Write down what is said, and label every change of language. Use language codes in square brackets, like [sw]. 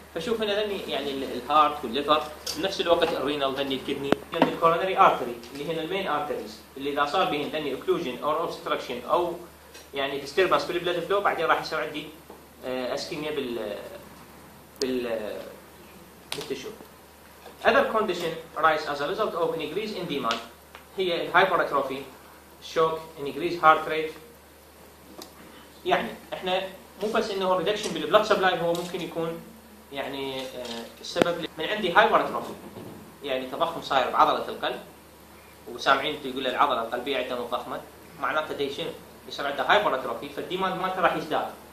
[ar] فشوف هنا ذني يعني الهارت والليفر بنفس الوقت الرينال ذني الكدني ذني الكورونري ارتري اللي هنا المين ارتريز اللي إذا صار بهن ذني اوكلوجن أو اوبستراكشن أو يعني ديستربنس في البلد فلو بعدين راح يصير عندي اسكيميا بال بالتشو. [en] Other condition rise as a result of an increase in demand [ar] هي الهايبراتروفي, شوك, [en] increase heart rate. [ar] يعني احنا مو بس انه reduction بالبلد سبلاي هو ممكن يكون يعني السبب من عندي هايبراتروفي, يعني تضخم صاير بعضلة القلب, وسامعين تقول العضلة القلبية عندها مضخمة معناته ديشن يصير عندها هايبراتروفي, فالديماند مالته راح يزداد.